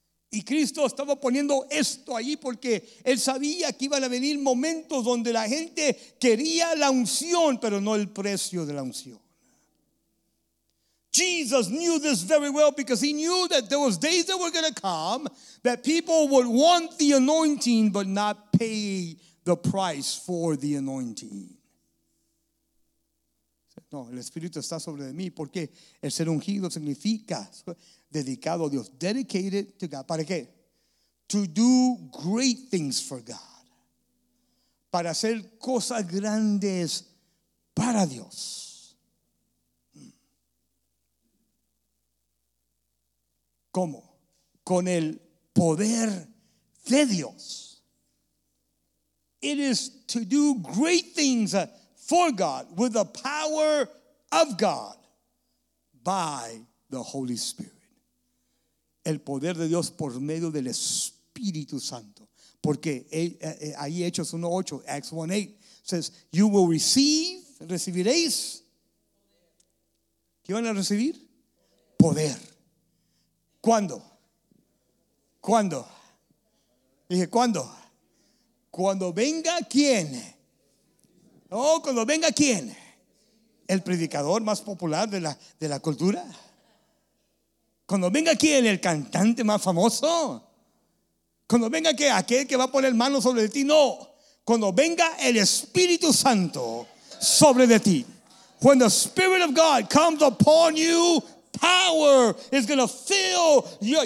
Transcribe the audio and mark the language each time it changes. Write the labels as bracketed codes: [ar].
[es] Y Cristo estaba poniendo esto ahí porque él sabía que iban a venir momentos donde la gente quería la unción, pero no el precio de la unción. [en] Jesus knew this very well because he knew that there was days that were going to come that people would want the anointing but not pay the price for the anointing. [es] No, el Espíritu está sobre de mí porque el ser ungido significa dedicado a Dios, [en] dedicated to God. [es] ¿Para qué? [en] To do great things for God. [es] Para hacer cosas grandes para Dios. ¿Cómo? Con el poder de Dios. [en] It is to do great things for God with the power of God by the Holy Spirit. [es] El poder de Dios por medio del Espíritu Santo. Porque ahí Hechos 1:8, [en] Acts 1:8 says, you will receive, [es] recibiréis. ¿Qué van a recibir? Poder. ¿Cuándo? ¿Cuándo? Dije, ¿cuándo? ¿Cuando venga quién? Oh, ¿cuando venga quién? El predicador más popular de la cultura. Cuando venga quién, el cantante más famoso. Cuando venga que aquel que va a poner mano sobre ti. No, cuando venga el Espíritu Santo sobre de ti. [en] When the Spirit of God comes upon you, power is going to fill you.